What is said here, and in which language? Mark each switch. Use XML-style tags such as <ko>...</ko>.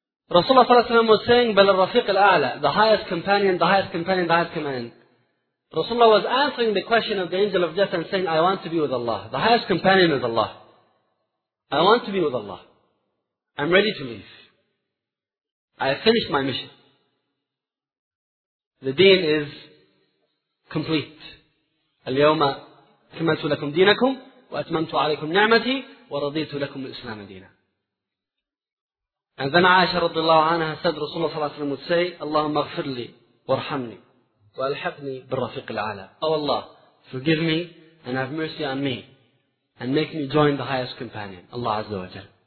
<en>Rasulullah ﷺ was saying,</en> <ar>بَلَ الرَّفِيقِ الْأَعْلَى</ar> <en>The highest companion, the highest companion, the highest companion. Rasulullah was answering the question of the angel of death and saying, I want to be with Allah. The highest companion is Allah. I want to be with Allah. I'm ready to leave. I have finished my mission. The deen is complete.</en> <ar>اليوم كملت لكم دينكم وأتممت عليكم نعمتي ورضيت لكم الإسلام دينا.</ar> <en>And then Aisha radiallahu anha said, Rasulullah صلى الله عليه وسلم would say,</en> <ar>اللهم اغفر لي وارحمني. وَأَلْحَقْنِي بِالرَّفِيقِ الْعَلَى</ar> <en>Oh Allah, forgive me and have mercy on me and make me join the highest companion, Allah Azza wa Jal.</en>